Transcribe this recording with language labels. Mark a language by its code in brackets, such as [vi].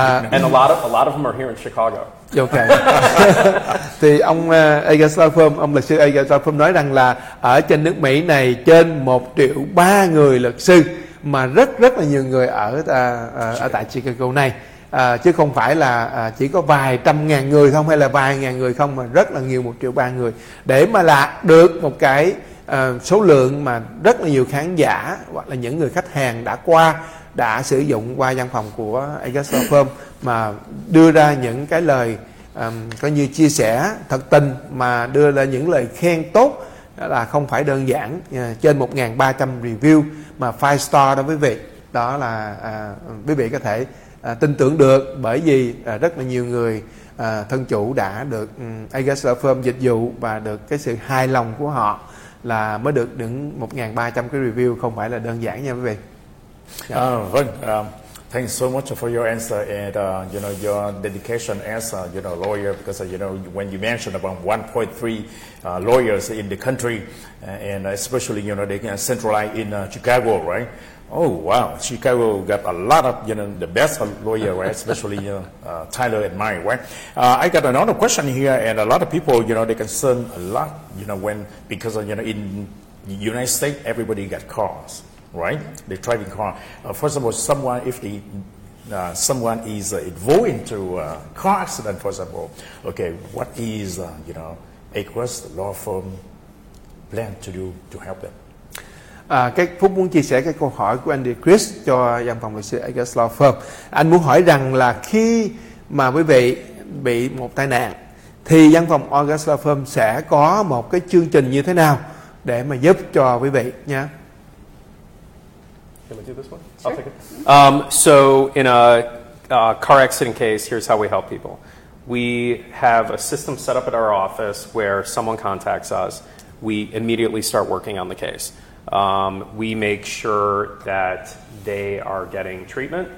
[en] And a lot of them are here in Chicago. Okay. [vi] Thì ông Agruss Law Firm, ông luật sư Agruss Law Firm nói rằng là ở trên nước Mỹ này trên 1.3 triệu người luật sư, mà rất rất là nhiều người ở tại Chicago này. Chứ không phải là chỉ có vài trăm ngàn người không hay là vài ngàn người không, mà rất là nhiều, 1.3 triệu người. Để mà đạt được một cái số lượng mà rất là nhiều khán giả hoặc là những người khách hàng đã sử dụng qua văn phòng của Agruss Law Firm mà đưa ra những cái lời coi như chia sẻ thật tình, mà đưa ra những lời khen tốt, là không phải đơn giản. Trên 1.300 review mà 5 star đó quý vị, đó là quý vị có thể tin tưởng được, bởi vì rất là nhiều người thân chủ đã được Agruss Law Firm dịch vụ và được cái sự hài lòng của họ là mới được đứng 1.300 cái review, không phải là đơn giản nha quý vị. [en] Thanks so much for your answer and you know, your dedication as a lawyer, because you know, when you mentioned about 1.3 lawyers in the country, and especially you know, they can centralize in Chicago, right? Oh wow, Chicago got a lot of the best lawyer, right? Especially Tyler and mine, right? I got another question here, and a lot of people they concern a lot because in the United States everybody got cars. Right, the driving car. First of all, someone is involved into a car accident, for example, okay, what is Agruss Law Firm plan to do to help them? [vi] Cái Phúc muốn chia sẻ cái câu hỏi của anh Chris cho văn phòng luật sư Agruss Law Firm. Anh muốn hỏi rằng là khi mà quý vị bị một tai nạn, thì văn phòng Agruss Law Firm sẽ có một cái chương trình như thế nào để mà giúp cho quý vị nhé? [en] Can we do this one? Sure. I'll take it. So in a car accident case, here's how we help people. We have a system set up at our office where someone contacts us. We immediately start working on the case. We make sure that they are getting treatment.